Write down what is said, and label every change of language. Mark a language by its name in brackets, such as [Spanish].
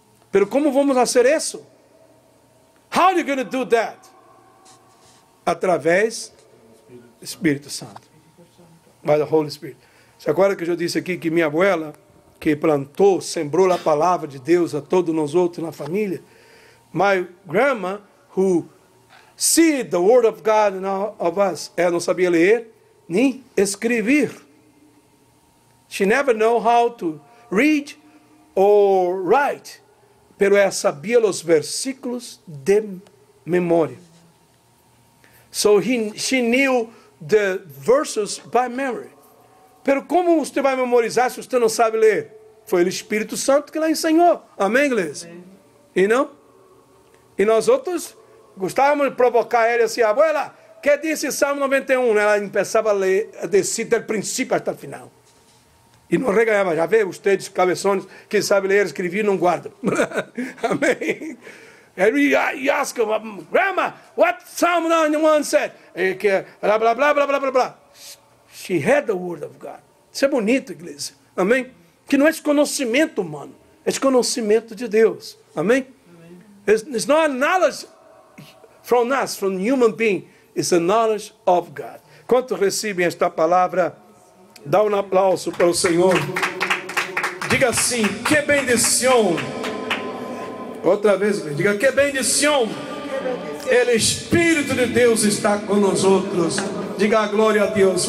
[Portuguese] Pero como vamos fazer isso? [English] How are you going to do that? [Portuguese] Através do Espírito Santo. [English] By the Holy Spirit. [Portuguese] Você acorda que eu disse aqui que minha abuela, que plantou, sembrou a palavra de Deus a todos nós outros na família? [English] My grandma, who seed the word of God in all of us. [Portuguese] Ela não sabia ler nem escrever. [English] She never knew how to read or write. [Portuguese] Pero ela sabia os versículos de memória. [English] So she knew the verses by memory. [Portuguese] Pero como você vai memorizar se você não sabe ler? Foi o Espírito Santo que lhe ensinou. Amém, igreja? E não? E nós outros gostávamos de provocar ela assim: abuela, que disse Salmo 91? Ela começava a ler, a descer do princípio até o final. E não regalhava, já vê, vocês, cabeções, que sabe ler, escrever, não guarda. Amém? E aí, [English] ask her, grandma, what Psalm 91 said? [Portuguese] E que, blá, blá, blá, blá, blá, blá, blá. [English] She had the word of God. [Portuguese] Isso é bonito, igreja. Amém? que não é conhecimento humano, é conhecimento de Deus. Amém? [English] It's not a knowledge from us, from human being. It's a knowledge of God. [Portuguese] Quanto recebem esta palavra, dá um aplauso para o Senhor. Diga assim, que bendição. Outra vez, diga, que bendição. Ele, Espírito de Deus, está conosco. Diga a glória a Deus.